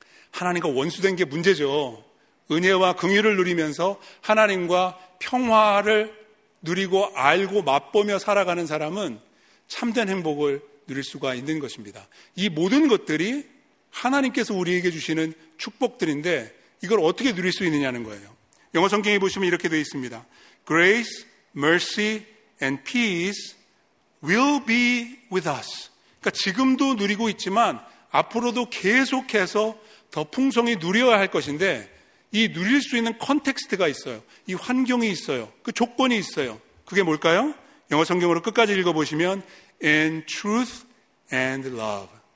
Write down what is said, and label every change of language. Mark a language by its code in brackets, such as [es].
[ko] 하나님과 원수된 게 문제죠. 은혜와 긍휼을 누리면서 하나님과 평화를 누리고 알고 맛보며 살아가는 사람은 참된 행복을 누릴 수가 있는 것입니다. 이 모든 것들이 하나님께서 우리에게 주시는 축복들인데 이걸 어떻게 누릴 수 있느냐는 거예요. 영어 성경에 보시면 이렇게 되어 있습니다. [en] Grace, mercy, and peace will be with us. [ko] 그러니까 지금도 누리고 있지만 앞으로도 계속해서 더 풍성히 누려야 할 것인데, 이 누릴 수 있는 컨텍스트가 있어요. 이 환경이 있어요. 그 조건이 있어요. 그게 뭘까요? 영어 성경으로 끝까지 읽어보시면 [en] In truth and love.